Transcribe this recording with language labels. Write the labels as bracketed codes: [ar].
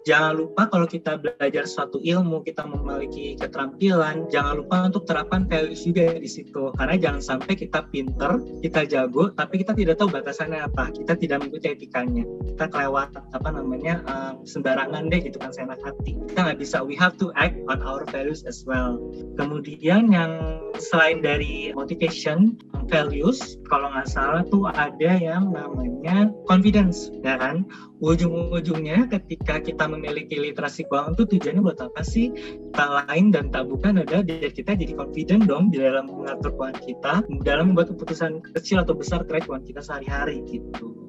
[id] Jangan lupa kalau kita belajar suatu ilmu, kita memiliki keterampilan, jangan lupa untuk terapkan values juga di situ. Karena jangan sampai kita pinter, kita jago, tapi kita tidak tahu batasannya apa, kita tidak mengikuti etikanya, kita kelewat apa namanya sembarangan deh gitu kan, seenak hati. Kita nggak bisa, [en] we have to act on our values as well. [id] Kemudian yang selain dari motivation, values, kalau nggak salah tuh ada yang namanya confidence, ya kan? Ujung-ujungnya ketika kita memiliki literasi keuangan itu tujuannya buat apa sih? Tak lain dan tak bukan adalah biar kita jadi confident dong di dalam mengatur keuangan kita, dalam membuat keputusan kecil atau besar terkait keuangan kita sehari-hari gitu.